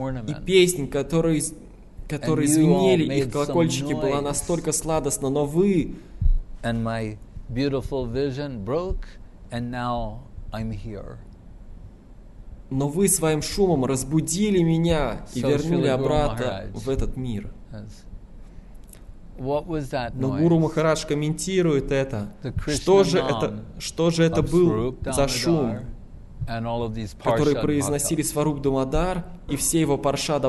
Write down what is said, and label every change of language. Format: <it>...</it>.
<ru>их и песни, которые звенели, их колокольчики, была настолько сладостна, но вы...</ru> <en>And my beautiful vision broke, and now I'm here.</en> <ru>Но вы своим шумом разбудили меня и вернули обратно в этот мир. Но Гуру Махарадж комментирует это. Что же это был за шум, который произносили Сваруп Дамодар и все его Паршада</ru>